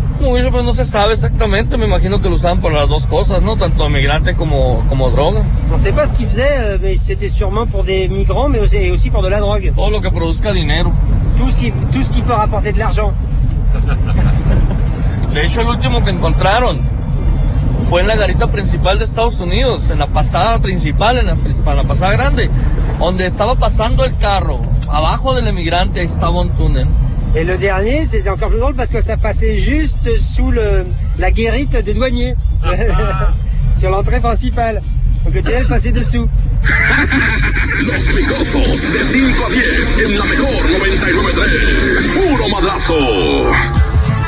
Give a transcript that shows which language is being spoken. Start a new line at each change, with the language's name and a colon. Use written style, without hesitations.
Spanish: Oui, pues no se sabe exactamente, me imagino que lo usaban por las dos cosas, ¿no? Tanto migrantes como droga.
French: On ne sait pas ce qu'ils faisaient, mais c'était sûrement pour des migrants, mais aussi pour de la drogue.
Spanish: Todo lo que produzca dinero.
French: Tout ce qui peut rapporter de l'argent.
Spanish: De hecho, el último que encontraron. Fue en la garita principal de Estados Unidos, en la pasada principal, en la pasada grande, donde estaba pasando el carro, abajo del emigrante, ahí estaba un túnel. Y el último,
French: c'était encore plus drôle, porque ça passait juste sous la guérite de douanier, sur l'entrée principale. Donc le TL passait dessous.
Spanish: Los picosos de 5 a 10, en la mejor 99.3, puro madrazo.